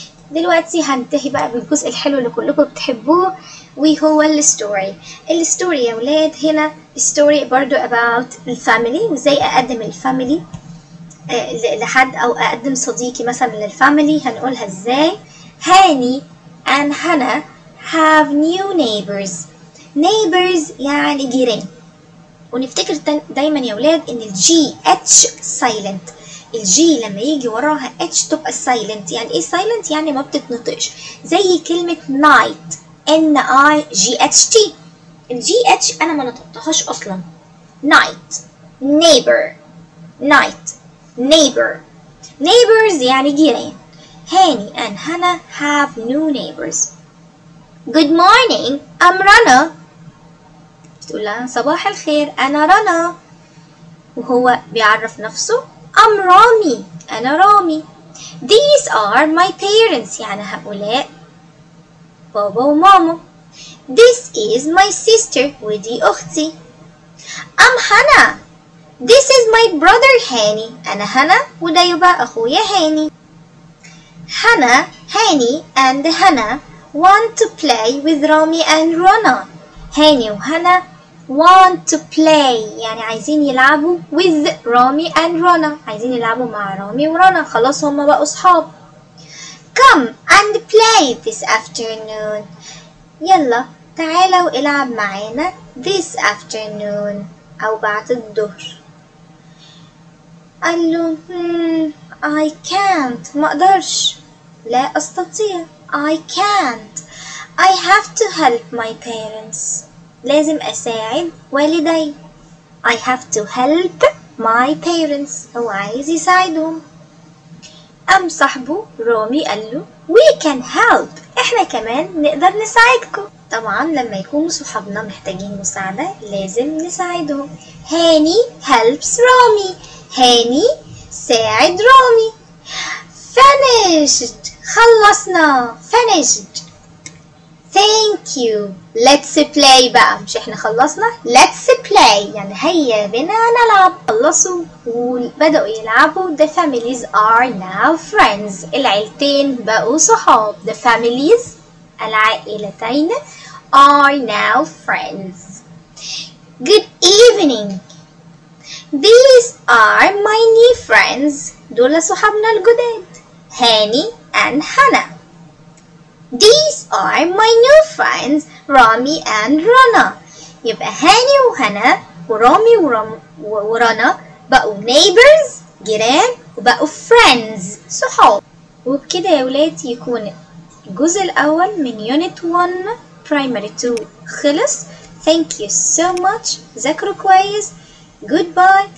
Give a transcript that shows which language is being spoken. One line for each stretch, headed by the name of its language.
Arabic: دلوقتي هنتهي بقى بالجزء الحلو اللي كلكم بتحبوه، وهو الستوري. الستوري يا ولاد هنا ستوري برضو
English: about
Arabic: الفاميلي، وزي اقدم الفاميلي لحد او اقدم صديقي مثلا للفاميلي هنقولها ازاي.
English: هاني and Hannah have new neighbors.
Arabic: neighbors يعني جيران. ونفتكر دايما يا ولاد ان الجي اتش سايلنت، الجي لما يجي وراها اتش تبقى سايلنت. يعني ايه سايلنت؟ يعني ما بتتنطقش، زي كلمه نايت ان اي جي اتش تي. الجي اتش انا ما نطقتهاش اصلا. نايت نيبر، نايت نيبر، نيبرز يعني جيران.
English: هاني and Hannah have new neighbors. good morning I'm
Arabic: رنا، بتقول لها صباح الخير انا رنا، وهو بيعرف نفسه
English: I'm Rami.
Arabic: أنا رامي.
English: These are my parents.
Arabic: يعني هؤلاء بابا وماما.
English: This is my sister.
Arabic: ودي أختي.
English: I'm Hannah. This is my brother Hani.
Arabic: أنا هانا وده يبقى أخويا هاني.
English: Hannah, Hani and Hannah want to play with Rami and Rana.
Arabic: هاني وهانا
English: want to play
Arabic: يعني عايزين يلعبوا
English: with Rami and Rana،
Arabic: عايزين يلعبوا مع رامي ورانا، خلاص هما بقوا اصحاب.
English: come and play this afternoon.
Arabic: يلا تعالى والعب معانا
English: this afternoon
Arabic: او بعد الظهر. قال له
English: I can't،
Arabic: ما اقدرش، لا استطيع.
English: I can't، I have to help my parents،
Arabic: لازم أساعد والدي.
English: I have to help my parents،
Arabic: هو عايز يساعدهم. أم صاحبه رامي قال له
English: We can help،
Arabic: إحنا كمان نقدر نساعدكم. طبعا لما يكون صحابنا محتاجين مساعدة لازم نساعدهم. هاني helps رامي، هاني ساعد رامي.
English: finished،
Arabic: خلصنا.
English: finished. Thank you. Let's play
Arabic: بقى. مش احنا خلصنا؟
English: Let's play.
Arabic: يعني هيا بنا نلعب. خلصوا وبدأوا يلعبوا.
English: The families are now friends.
Arabic: العائلتين بقوا صحاب.
English: The families
Arabic: العائلتين
English: are now friends. Good evening. These are my new friends.
Arabic: دول صحابنا الجداد.
English: هاني and Hannah. These are my new friends Rami and Rana.
Arabic: يبقى هاني وهنا ورامي ورانا بقوا neighbors جيران، وبقوا friends صحاب. وبكده يا ولاد يكون الجزء الاول من unit 1 primary 2 خلص.
English: Thank you so much.
Arabic: ذاكروا كويس.
English: goodbye.